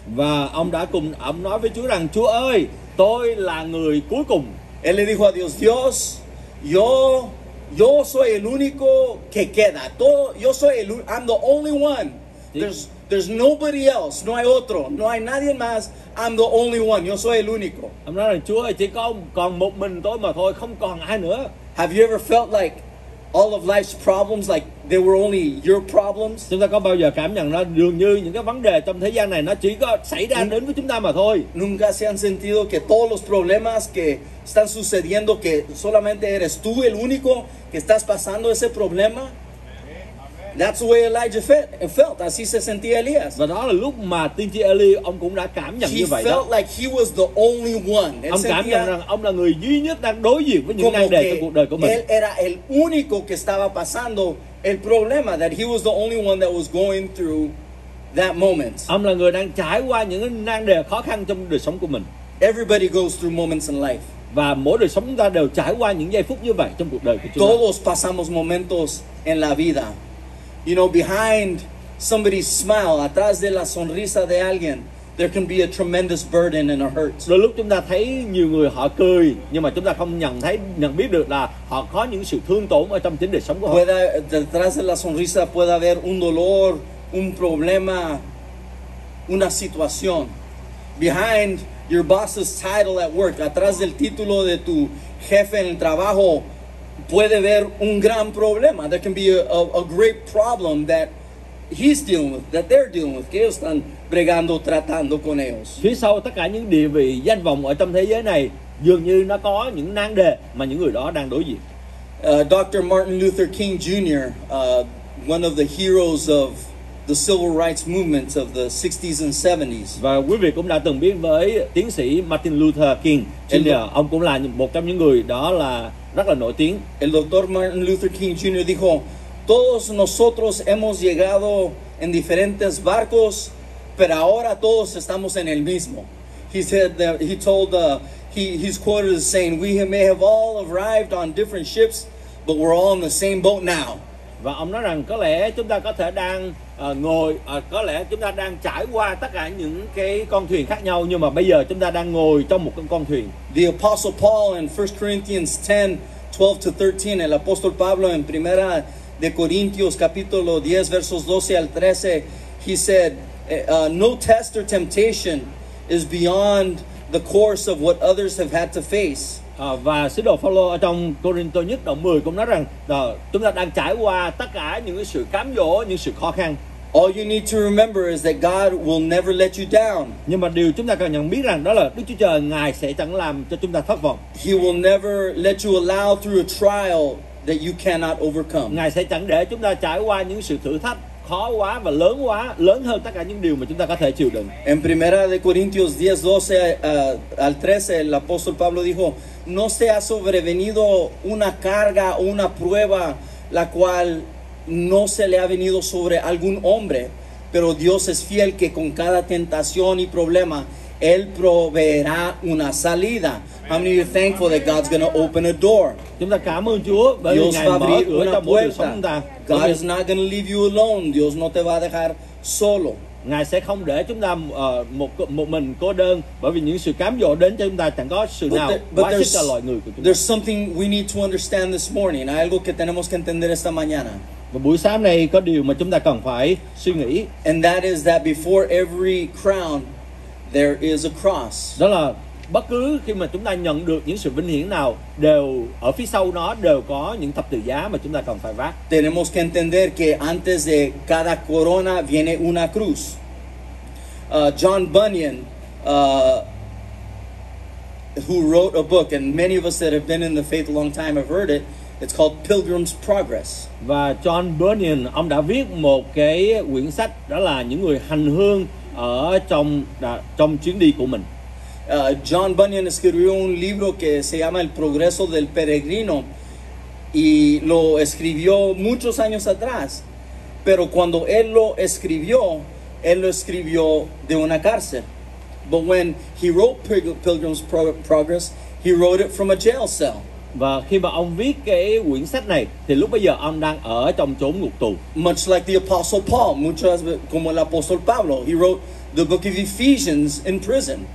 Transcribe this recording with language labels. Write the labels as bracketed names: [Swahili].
[Vietnamese] Và ông đã cùng ông nói với Chúa rằng, Chúa ơi, tôi là người cuối cùng. [Spanish] Él le dijo a Dios, Dios, yo soy el único que queda. [English] I'm the only one. There's nobody else. [Spanish] No hay otro. No hay nadie más. [English] I'm the only one. [Spanish] Yo soy el único. [Vietnamese] Ông nói rằng, Chúa ơi, chỉ có còn một mình tôi mà thôi, không còn ai nữa. [English] Have you ever felt like all of life's problems, like they were only your problems? [Vietnamese] Chúng ta có bao giờ cảm nhận nó dường như những cái vấn đề trong thế gian này nó chỉ có xảy ra đến với chúng ta mà thôi? [Spanish] Nunca se han sentido que todos los problemas que están sucediendo, que solamente eres tú el único que estás pasando ese problema? [English] That's the way Elijah felt. [Spanish] Así se sentía Elías. [Vietnamese] Và đó là lúc mà tiên tri Eli ông cũng đã cảm nhận như vậy đó. [English] He felt like he was the only one. [Vietnamese] Ông cảm nhận rằng ông là người duy nhất đang đối diện với những nan đề trong cuộc đời của mình. [Spanish] Él era el único que estaba pasando el problema, [English] that he was the only one that was going through that moment. [Vietnamese] Ông là người đang trải qua những nan đề khó khăn trong đời sống của mình. [English] Everybody goes through moments in life. [Vietnamese] Và mỗi đời sống chúng ta đều trải qua những giây phút như vậy trong cuộc đời của chúng ta. [Spanish] Todos pasamos momentos en la vida. [English] You know, behind somebody's smile, [Spanish] atrás de la sonrisa de alguien, [English] there can be a tremendous burden and a hurt. [Vietnamese] Đôi lúc chúng ta thấy nhiều người họ cười, nhưng mà chúng ta không nhận biết được là họ có những sự thương tổn ở trong chính đời sống của họ. [Spanish] Puede detrás de la sonrisa puede haber un dolor, un problema, una situación. [English] Behind your boss's title at work, [Spanish] atrás del título de tu jefe en el trabajo, puede haber un gran problema. [English] There can be a great problem that he's dealing with, that they're dealing with, [Spanish] que ellos están bregando, tratando con ellos. [Vietnamese] Phía sau tất cả những địa vị, danh vọng ở trong thế giới này, dường như nó có những nan đề mà những người đó đang đối diện. [English] Dr. Martin Luther King Jr., one of the heroes of the civil rights movement of the 60s and 70s. [Vietnamese] Và quý vị cũng đã từng biết với tiến sĩ Martin Luther King Jr. Ông cũng là một trong những người đó là rất là nổi tiếng. [Spanish] El Dr. Martin Luther King Jr. dijo, todos nosotros hemos llegado en diferentes barcos, pero ahora todos estamos en el mismo. [English] He said that he told the he's quoted as saying, we may have all arrived on different ships, but we're all in the same boat now. [Vietnamese] Và ông nói rằng có lẽ chúng ta có thể đang ngồi, có lẽ chúng ta đang trải qua tất cả những cái con thuyền khác nhau, nhưng mà bây giờ chúng ta đang ngồi trong một con thuyền. [English] The Apostle Paul in 1 Corinthians 10, 12 to 13, [Spanish] el Apóstol Pablo en 1 de Corintios capítulo 10, versos 12 al 13, [English] he said, no test or temptation is beyond the course of what others have had to face. [Vietnamese] Và sứ đồ Phaolô ở trong Corinto nhất đoạn 10 cũng nói rằng chúng ta đang trải qua tất cả những sự cám dỗ, những sự khó khăn. [English] All you need to remember is that God will never let you down. [Vietnamese] Nhưng mà điều chúng ta cần nhận biết rằng đó là Đức Chúa Trời Ngài sẽ chẳng làm cho chúng ta thất vọng. [English] He will never let you allow through a trial that you cannot overcome. [Vietnamese] Ngài sẽ chẳng để chúng ta trải qua những sự thử thách khó quá và lớn quá, lớn hơn tất cả những điều mà chúng ta có thể chịu đựng. [Spanish] En 1 de Corintios 10, 12 al 13, el apóstol Pablo dijo, no se ha sobrevenido una carga o una prueba la cual no se le ha venido sobre algún hombre, pero Dios es fiel que con cada tentación y problema Él proveerá una salida. [English] How many of you are thankful that God's going to open a door? [Vietnamese] Chúng ta cảm ơn Chúa bởi vì Ngài mở cửa trong mỗi đời sống chúng ta. [English] God is not going to leave you alone. [Spanish] Dios no te va a dejar solo. [Vietnamese] Ngài sẽ không để chúng ta một mình cô đơn bởi vì những sự cám dỗ đến cho chúng ta chẳng có sự nào quá sức cho loài người của chúng ta. [English] There's something we need to understand this morning. [Spanish] Algo que tenemos que entender esta mañana. [Vietnamese] Và buổi sáng này có điều mà chúng ta cần phải suy nghĩ. [English] And that is that before every crown, there is a cross. [Vietnamese] Đó là bất cứ khi mà chúng ta nhận được những sự vinh hiển nào, đều ở phía sau nó đều có những thập tự giá mà chúng ta cần phải vác. [Spanish] Tenemos que entender que antes de cada corona viene una cruz. [English] John Bunyan, who wrote a book, and many of us that have been in the faith a long time have heard it. It's called Pilgrim's Progress. [Vietnamese] Và John Bunyan, ông đã viết một cái quyển sách đó là những người hành hương ở trong trong chuyến đi của mình. [Spanish] John Bunyan escribió un libro que se llama El Progreso del Peregrino y lo escribió muchos años atrás, pero cuando él lo escribió de una cárcel. [English] But when he wrote Pilgrim's Progress, he wrote it from a jail cell. [Vietnamese] Và khi mà ông viết cái quyển sách này thì lúc bây giờ ông đang ở trong chốn ngục tù. [English] Much like the Apostle Paul, [Spanish] como el Apostle Pablo, [English] he wrote the book of Ephesians in prison.